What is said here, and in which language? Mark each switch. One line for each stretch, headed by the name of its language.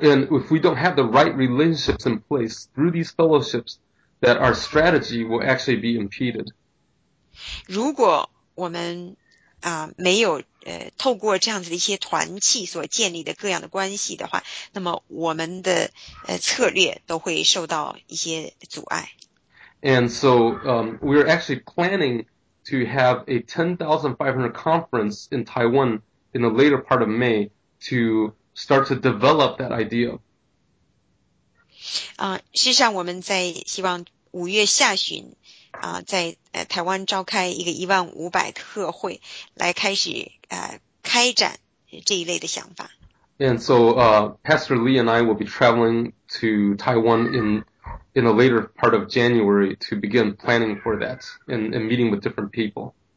English: if we don't have the right relationships in place through these fellowships, that our strategy will actually be impeded.
Chinese: 如果我们没有透过这样子的一些团契所建立的各样的关系的话，那么我们的策略都会受到一些阻碍。
English: And so we are actually planning to have a 10,500 conference in Taiwan in the later part of May to start to develop that idea.
Chinese: 事实上我们在希望5月下旬 在台湾召开一个15,000特会，来开始开展这一类的想法。
English: And so Pastor Lee and I will be traveling to Taiwan in the later part of January to begin planning for that and meeting with different people.